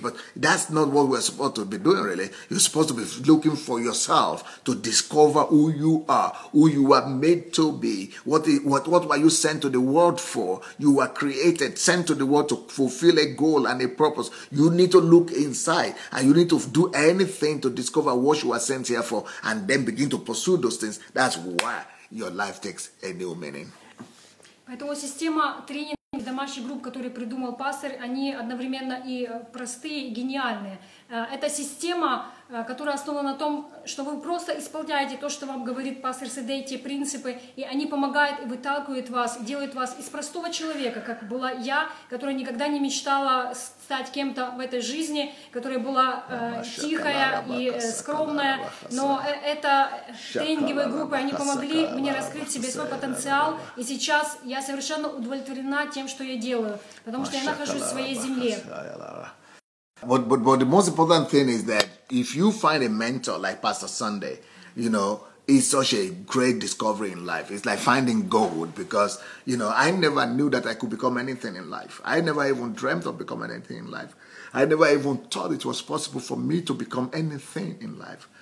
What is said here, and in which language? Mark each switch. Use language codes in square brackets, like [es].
[en] But that's not what we're supposed to be doing, really. You're supposed to be looking for yourself to discover who you are, who you are made to be, what were you sent to the world for. You were created, sent to the world to fulfill a goal and a purpose. You need to look inside, and you need to do anything to discover what you were sent here for, and then begin to pursue those things. That's why your life takes a new meaning. [ru] Поэтому система тренинг домашних групп, которые придумал пастор, они одновременно и простые, и гениальные. Это система, которая основана на том, что вы просто исполняете то, что вам говорит пастор Седей, те принципы, и они помогают и выталкивают вас, делают вас из простого человека, как была я, которая никогда не мечтала стать кем-то в этой жизни, которая была тихая и скромная, но это тренинговые группы, они помогли мне раскрыть себе свой потенциал, и сейчас я совершенно удовлетворена тем, что я делаю, потому что я нахожусь в своей земле. [en] But the most important thing is that if you find a mentor like Pastor Sunday, you know, it's such a great discovery in life. It's like finding gold because, you know, I never knew that I could become anything in life. I never even dreamt of becoming anything in life. I never even thought it was possible for me to become anything in life.